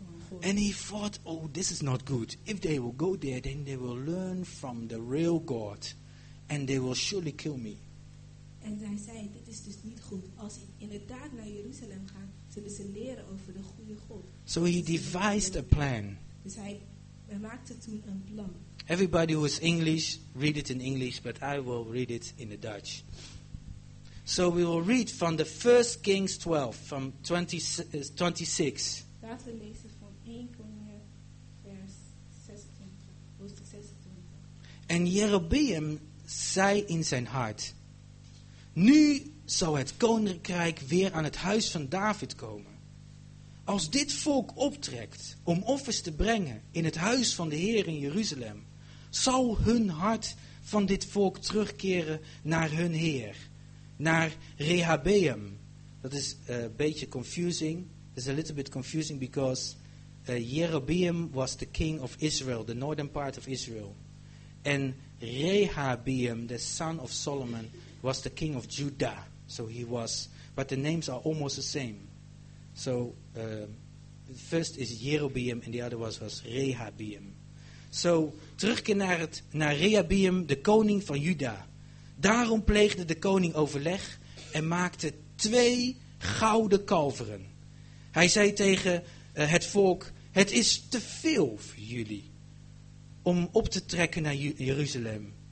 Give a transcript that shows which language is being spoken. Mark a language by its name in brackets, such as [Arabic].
[English] And he thought, oh, this is not good. If they will go there, then they will learn from the real God. And they will surely kill me. [Dutch] And hij zei, dit is dus niet goed. Als ze inderdaad naar Jeruzalem gaan, zullen ze leren over de goede God. [English] So he devised a plan. [Dutch] Dus hij maakte toen een plan. [English] Everybody who is English, read it in English, but I will read it in the Dutch. So we will read from the 1 Kings 12, from 26. [Dutch] Laten we lezen van 1 Koningen vers 26. En Jeroboam zei in zijn hart, nu zal het koninkrijk weer aan het huis van David komen. Als dit volk optrekt om offers te brengen in het huis van de Heer in Jeruzalem, zal hun hart van dit volk terugkeren naar hun Heer. Naar Rehabeam. Dat is een beetje confusing. [English] It's a little bit confusing because Jeroboam was the king of Israel, the northern part of Israel. And Rehabeam, the son of Solomon, was the king of Judah. So he was, but the names are almost the same. So first is Jeroboam and the other was Rehabeam. [Dutch] So terugkeer naar Rehabeam, de koning van Juda. Daarom pleegde de koning overleg en maakte 2 gouden kalveren. Hij zei tegen het volk, het is te veel voor jullie om op te trekken naar Jeruzalem.